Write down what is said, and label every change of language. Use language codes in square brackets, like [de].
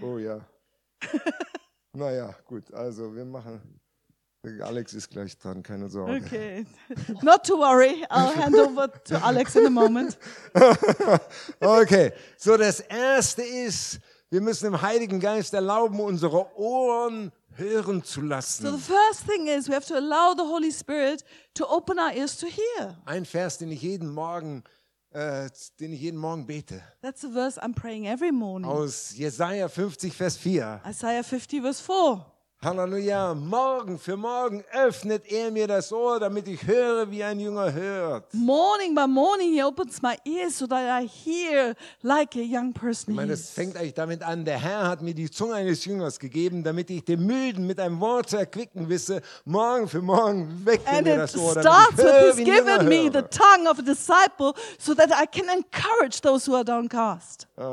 [de] Oh ja. Naja, gut. Also wir machen. Alex ist gleich dran, keine Sorge. [en] Okay. Not to worry. I'll hand over to Alex in a moment. Okay. [de] So, das erste ist, wir müssen dem Heiligen Geist erlauben, unsere Ohren hören zu lassen. [en] So the first thing is, we have to allow the Holy Spirit to open our ears to hear. [de] Ein Vers, den ich jeden Morgen bete. [en] That's the verse I'm praying every morning. [de] Aus Jesaja 50, Vers 4. [en] Isaiah 50, Vers 4. [de] Halleluja, morgen für morgen öffnet er mir das Ohr, damit ich höre, wie ein Jünger hört. [en] Morning by morning he opens my ears so that I hear like a young person. [de] Ich meine, es fängt eigentlich damit an, der Herr hat mir die Zunge eines Jüngers gegeben, damit ich den Müden mit einem Wort zu erquicken wisse. Morgen für morgen weckt er mir das Ohr, damit ich höre, wie ein Jünger [en] given [de] höre. [en] Me the tongue of a disciple so that I can encourage those who are downcast.